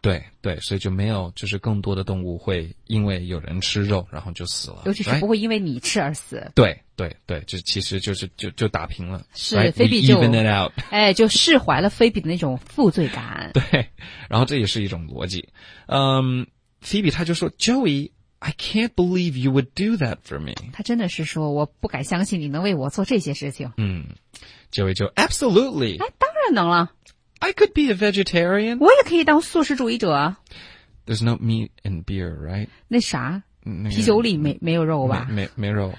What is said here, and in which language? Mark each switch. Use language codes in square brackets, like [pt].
[zh] 对对，所以就没有就是更多的动物会因为有人吃肉然后就死了。尤其是不会因为你吃而死。 [en] Right? [zh] 对对对，这其实就是就打平了。是、 [en] right? [zh] 菲比 [en] 就 even it out. [zh] 哎，就释怀了菲比的那种负罪感。对，然后这也是一种逻辑。菲比他就说 [en] ,Joey,I can't believe you would do that for me. [zh] 他真的是说我不敢相信你能为我做这些事情。嗯。Joey 就 absolutely. 哎，当然能了。 [en] I could be a vegetarian. [zh] 我也可以当素食主义者。 [en] There's no meat and beer, right? [zh] 那啥、那个、啤酒里没有肉吧？没肉。